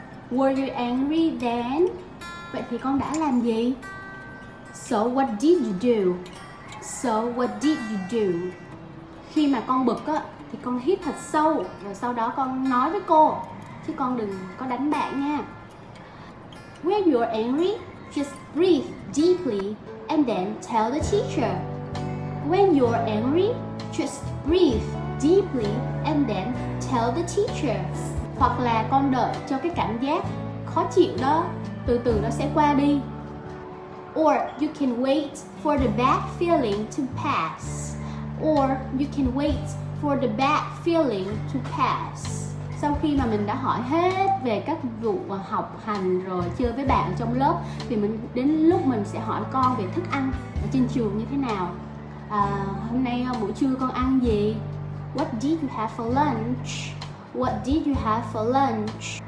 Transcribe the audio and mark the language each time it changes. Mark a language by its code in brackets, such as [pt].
[en] Were you angry then? [vi] Vậy thì con đã làm gì? [en] So what did you do? So what did you do? [vi] Khi mà con bực á, thì con hít thật sâu rồi sau đó con nói với cô, chứ con đừng có đánh bạn nha. [en] When you're angry, just breathe deeply and then tell the teacher. When you're angry, just breathe deeply and then tell the teacher. [vi] Hoặc là con đợi cho cái cảm giác khó chịu đó, từ từ nó sẽ qua đi. [en] Or you can wait for the bad feeling to pass. Or you can wait for the bad feeling to pass. [vi] Sau khi mà mình đã hỏi hết về các vụ học hành rồi chơi với bạn trong lớp thì mình đến lúc mình sẽ hỏi con về thức ăn ở trên trường như thế nào. Hôm nay buổi trưa con ăn gì? [en] What did you have for lunch? What did you have for lunch?